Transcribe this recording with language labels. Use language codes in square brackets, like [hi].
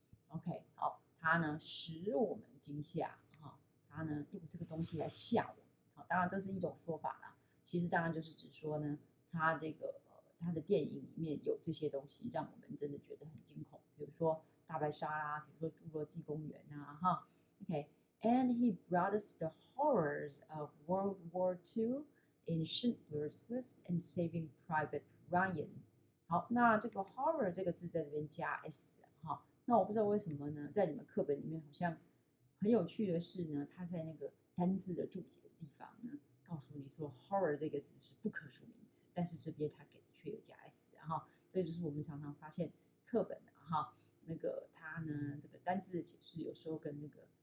[zh] OK， 好，他呢使我们惊吓哈，他呢用这个东西来吓我们。好，当然这是一种说法啦。其实当然就是指说呢，他这个他的电影里面有这些东西，让我们真的觉得很惊恐。比如说大白鲨啦，比如说侏罗纪公园啊，哈 ，OK。 [en] And he brought us the horrors of World War II in Schindler's List and Saving Private Ryan. [zh] 好，那这个 horror 这个字在这边加 s 哈。那我不知道为什么呢，在你们课本里面好像很有趣的是呢，它在那个单字的注解的地方呢，告诉你说 horror 这个字是不可数名词，但是这边它给却有加 s 哈。这就是我们常常发现课本的哈，那个它呢这个单字的解释有时候跟那个。